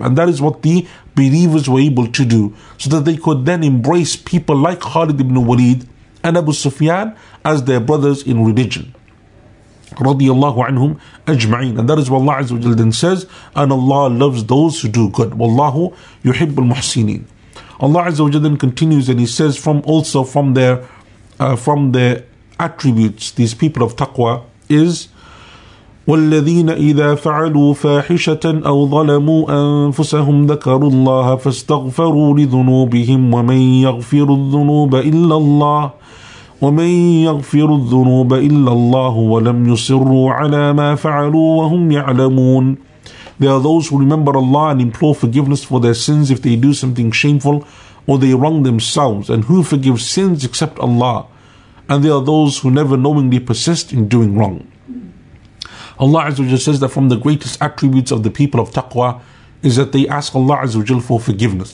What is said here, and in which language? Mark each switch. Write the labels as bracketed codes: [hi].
[en] And that is what the believers were able to do, so that they could then embrace people like Khalid ibn Walid and Abu Sufyan as their brothers in religion. Radiallahu anhum ajma'in. And that is what Allah Azza wa Jalla then says, and Allah loves those who do good. [ar] Wallahu yuhibbul muhsinin. [en] Allah Azza wa Jalla then continues and he says from their attributes, these people of taqwa, is [ar] وَالَّذِينَ إِذَا فَعَلُوا فَاحِشَةً أَوْ ظَلَمُوا أَنفُسَهُمْ ذَكَرُوا اللَّهَ فَاسْتَغْفَرُوا لِذُنُوبِهِمْ وَمَنْ يَغْفِرُ الذُّنُوبَ إِلَّا اللَّهُ وَمَنْ يَغْفِرُ الذُّنُوبَ إِلَّا اللَّهُ وَلَمْ يُصِرُّوا عَلَى مَا فَعَلُوا وَهُمْ يَعْلَمُونَ. [en] There are those who remember Allah and implore forgiveness for their sins if they do something shameful or they wrong themselves. And who forgives sins except Allah? And there are those who never knowingly persist in doing wrong. Allah Azza wa Jalla says that from the greatest attributes of the people of taqwa is that they ask Allah Azza wa Jalla for forgiveness.